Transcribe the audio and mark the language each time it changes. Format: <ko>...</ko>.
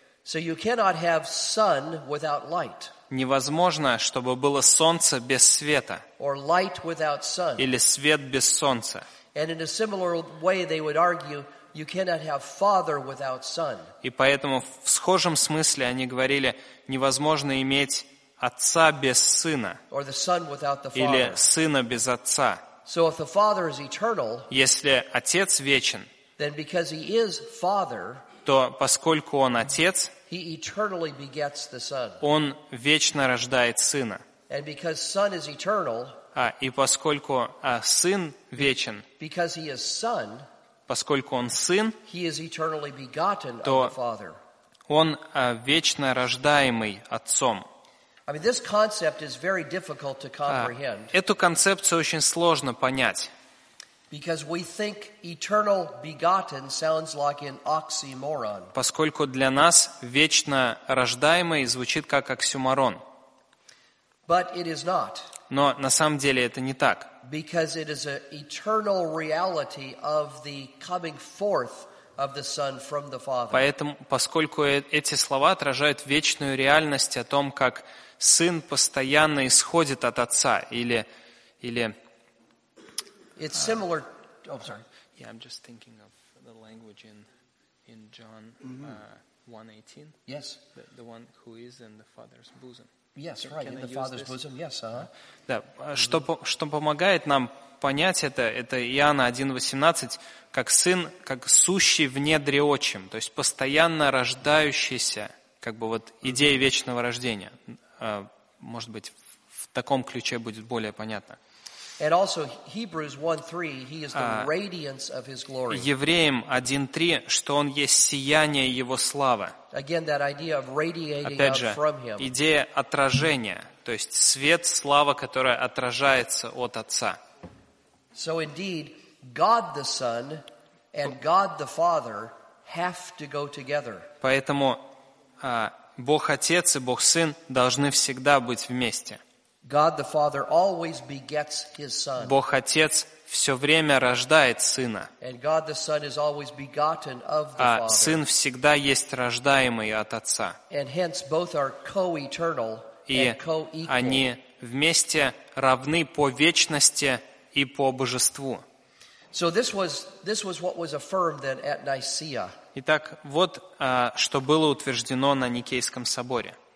<en>So you cannot have sun without light.</en> <ru>Невозможно, чтобы было солнце без света.</ru> <en>Or light without sun.</en> <ru>Или свет без солнца.</ru> <en>And in a similar way they would argue, you cannot have father without son.</en> <ru>И поэтому в схожем смысле они говорили, невозможно иметь отца без сына.</ru> <en>Or the son without the father.</en> <ru>Или сына без отца.</ru> <en>So if the father is eternal,</en> <ru>если отец вечен,</ru> <en>then because he is father,</en> <ru>то поскольку он отец,</ru> <en>he eternally begets the son.</en> <ru>Он вечно рождает сына.</ru> <en>And because son is eternal,</en> <ru>и поскольку сын вечен,</ru> <en>because he is son,</en> <ru>поскольку он сын,</ru> <en>he is eternally begotten</en> <ru>то</ru> <en>of the father.</en> <ru>Он вечно рождаемый отцом.</ru> <en>I mean, this concept is very difficult to comprehend.</en> <ru>Эту концепцию очень сложно понять.</ru> <en>Because we think eternal begotten sounds like an oxymoron.</en> <ru>Поскольку для нас вечно рождаемый звучит как оксюморон.</ru> <en>But it is not.</en> <ru>Но на самом деле это не так.</ru> <en>Because it is an eternal reality of the coming forth of the Son from the Father.</en> <ru>Поэтому, поскольку эти слова отражают вечную реальность о том, как Сын постоянно исходит от Отца, или</ru> <en>it's similar. Oh, sorry. Yeah, I'm just thinking of the language in John 1:18. Yes. The one who is in the Father's bosom. Yes, can, right. Can in I the Father's this? Bosom. Yes.</en> <ru>Да. Что помогает нам понять это Иоанна 1:18, как Сын, как сущий в недре Отчим, то есть постоянно рождающийся, как бы вот идея вечного рождения. Может быть, в таком ключе будет более понятно.</ru> <en>And also Hebrews 1:3, he is the radiance of his glory.</en> <ru>Евреям 1:3, что он есть сияние его славы.</ru> <en>Again, that idea of radiating</en> <ru>опять же,</ru> <en>out from him.</en> <ru>Идея отражения, то есть свет, слава, которая отражается от Отца.</ru> <en>So indeed, God the Son and God the Father have to go together.</en> <ru>Поэтому Бог Отец и Бог Сын должны всегда быть вместе.</ru> <en>God the Father always begets his son.</en> <ru>Бог Отец все время рождает сына.</ru> <en>And God the Son is always begotten of the Father.</en> <ru>А сын всегда есть рождаемый от Отца.</ru> <en>And hence both are co-eternal</en> <ru>и</ru> <en>and co-equal.</en> <ru>Они вместе равны по вечности и по божеству.</ru> <en>So this was what was affirmed then at Nicaea.</en> <ru>Итак, вот что было утверждено на Никейском соборе.</ru>